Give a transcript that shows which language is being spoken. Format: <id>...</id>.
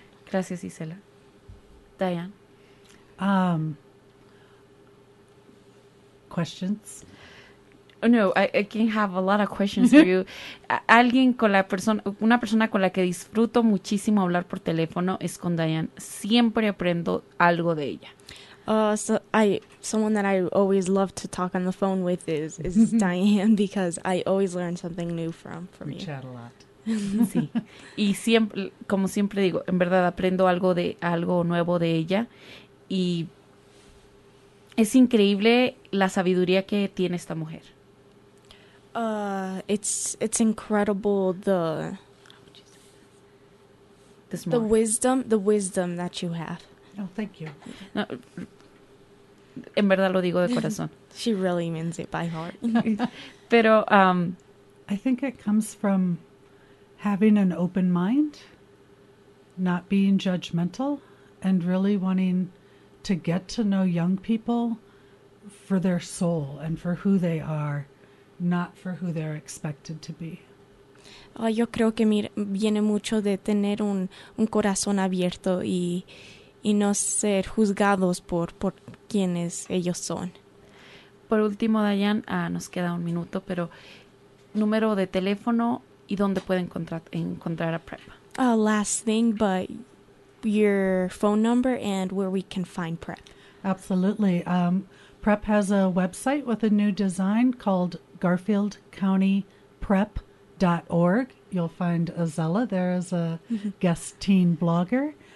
<es>Gracias, Gisela. Diane.</es> <en>Questions? Oh, no, I can have a lot of questions for you.</en> <es>Alguien con la persona, una persona con la que disfruto muchísimo hablar por teléfono es con Diane. Siempre aprendo algo de ella.</es> <en>Someone that I always love to talk on the phone with is Diane, because I always learn something new from we you. We chat a lot.</en> <es>Sí. Y siempre, como siempre digo, en verdad aprendo algo nuevo de ella. Y es increíble la sabiduría que tiene esta mujer.</es> <en>It's incredible the wisdom that you have. Oh, thank you.</en> <es>No, en verdad lo digo de corazón.</es> <en>She really means it by heart.</en> <es>Pero</es> <en>I think it comes from having an open mind, not being judgmental, and really wanting to get to know young people for their soul and for who they are, not for who they're expected to be.</en> <es>Yo creo que viene mucho de tener un corazón abierto y no ser juzgados por quienes ellos son. Por último, Diane, nos queda un minuto, pero número de teléfono y dónde pueden encontrar a PrEP.</es> <en>Last thing, but your phone number and where we can find PrEP. Absolutely. PrEP has a website with a new design called GarfieldCountyPrep.org. You'll find Azella there as a guest teen blogger.</en>